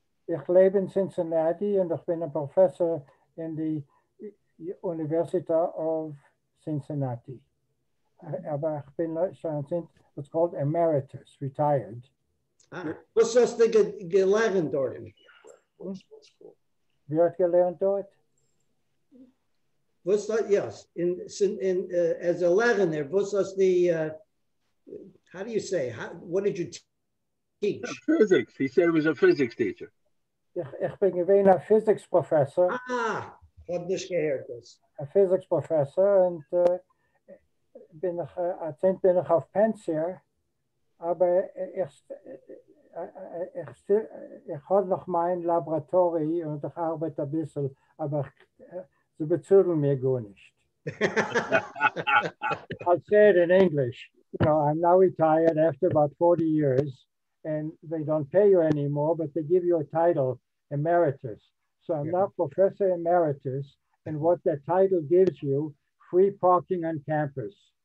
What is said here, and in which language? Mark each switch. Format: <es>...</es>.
<de>Ich lebe in Cincinnati und ich bin ein Professor in der Universität of Cincinnati. Aber ich bin schon,</de> <en>it's called Emeritus, retired.</en> <de>Ah, was hast du gelernt dort? Wie hat gelernt dort? Was hat,</de> <en>yes, as a lerner,</en> <de>was hast du,</de> <en>how do you say, what did you teach? Physics, he said he was a physics teacher.</en> <de>Ich bin gewesen ein Physics Professor. Ah, hab nicht gehört das. Ein Physics Professor und bin ich auf Pensier, aber ich habe noch mein Laboratorium und ich arbeite ein bisschen, aber sie bezahlen mir gar nicht.</de> <en>I'll say it in English. You know, I'm now retired after about 40 years and they don't pay you anymore, but they give you a title. Emeritus. So I'm now Professor Emeritus, and what that title gives you, free parking on campus.</en>